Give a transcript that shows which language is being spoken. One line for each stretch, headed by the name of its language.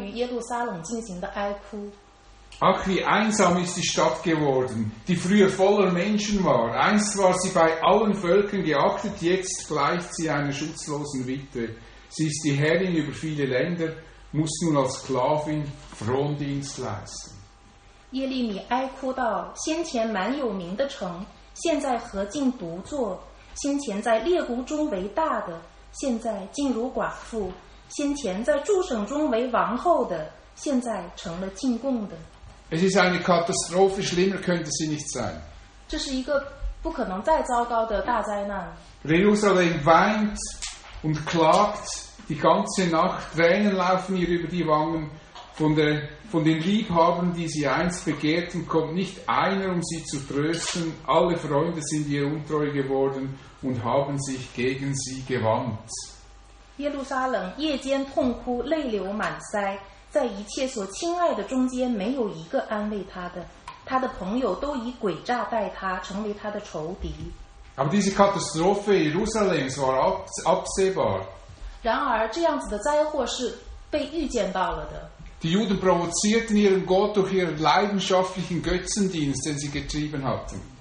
Chinese: 这个经文呢是出自耶利米哀歌，这个耶利米哀歌呢是耶利米关于耶路撒冷进行的哀哭。
German: Ach, wie einsam ist die Stadt geworden, die früher voller Menschen war. Einst war sie bei allen Völkern geachtet, jetzt gleicht sie einer schutzlosen Witwe. Sie ist die Herrin über viele Länder, muss nun als Sklavin Frondienst leisten.
Chinese: 耶利米哀哭道：先前蛮有名的城，现在何竟独坐？先前在列国中为大的，现在竟如寡妇；先前在诸省中为王后的，现在成了进贡的。It
German: is eine Katastrophe, schlimmer könnte sie nicht sein.
Chinese: 这是一个不可能再糟糕的大灾难。
German: Jerusalem weint und klagt die ganze Nacht, Tränen laufen ihr über die Wangen. Von den Liebhabern, die sie einst begehrten, kommt nicht einer, um sie zu trösten. Alle Freunde sind ihr untreu geworden und haben sich gegen sie gewandt.
Chinese: Jerusalem, 夜间痛哭，泪流满腮，在一切所亲爱的中间，没有一个安慰他的。他的朋友都以诡诈待他，成为他的仇敌。
German: Aber diese Katastrophe Jerusalems war absehbar.
Chinese: 然而，这样子的灾祸是被预见到了的。
German: Die Juden provozierten ihren Gott durch ihren leidenschaftlichen Götzendienst, den sie getrieben hatten.